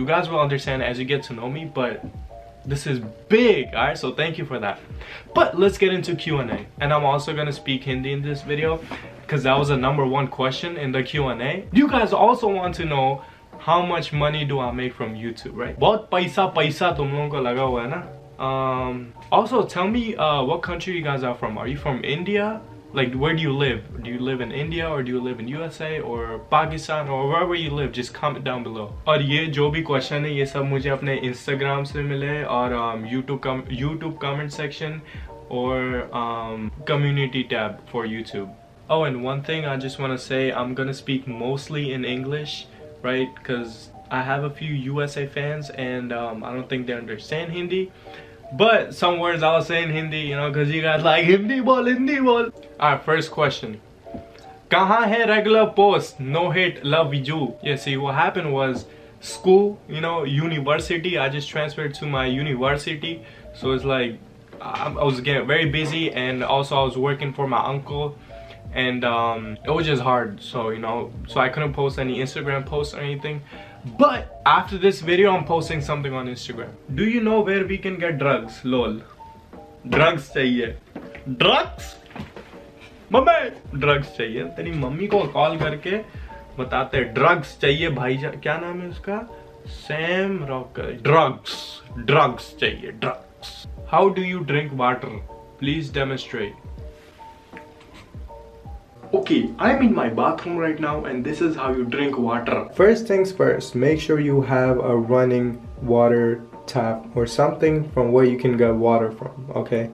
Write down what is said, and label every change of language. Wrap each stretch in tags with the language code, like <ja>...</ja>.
<en>You guys will understand as you get to know me, but this is big, alright, so thank you for that. But let's get into Q&A, and I'm also gonna speak Hindi in this video, because that was the number one question in the Q&A. You guys also want to know, how much money do I make from YouTube, right?</en> <hi>बहुत पैसा पैसा तुम लोगों को लगा हुआ है ना?</hi> <en>Also tell me what country you guys are from. Are you from India? Like, where do you live? Do you live in India or do you live in USA or Pakistan or wherever you live? Just comment down below.</en> <hi>और ये जो भी question है ये सब मुझे अपने Instagram से मिले और</hi> <en>YouTube comment section or community tab for YouTube. Oh, and one thing I just want to say, I'm going to speak mostly in English, right? Cuz I have a few USA fans and I don't think they understand Hindi. But some words I'll say in Hindi, you know, because you guys like Hindi ball, Hindi ball. Alright, first question.</en> <hi>कहा है</hi> <en>regular post? No hate, love you. Yeah, see, what happened was school, you know, university. I just transferred to my university. So it's like, I was getting very busy and also I was working for my uncle. And it was just hard. So, you know, so I couldn't post any Instagram posts or anything. But after this video, I'm posting something on Instagram. Do you know where we can get drugs?</en> <hi>Lol. Drugs chahiye. Drugs? Mamme! Drugs चाहिए। तेरी mummy को call करके बताते। Drugs चाहिए भाई। क्या नाम है उसका?</hi> <en>Sam Rocker. Drugs.</en> <hi>Drugs chahiye.</hi> <en>Drugs. How do you drink water? Please demonstrate. Okay, I'm in my bathroom right now and this is how you drink water. First things first, make sure you have a running water tap or something from where you can get water from, okay?</en>